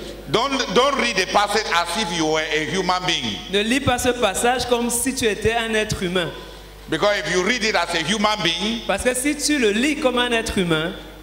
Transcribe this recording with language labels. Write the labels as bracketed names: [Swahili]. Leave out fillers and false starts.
[English] Don't read the passage as if you were a human being. [French] Ne lis pas ce passage comme si tu étais un être humain. [English] Because if you read it as a human being, [French] parce que si tu le lis comme un être humain,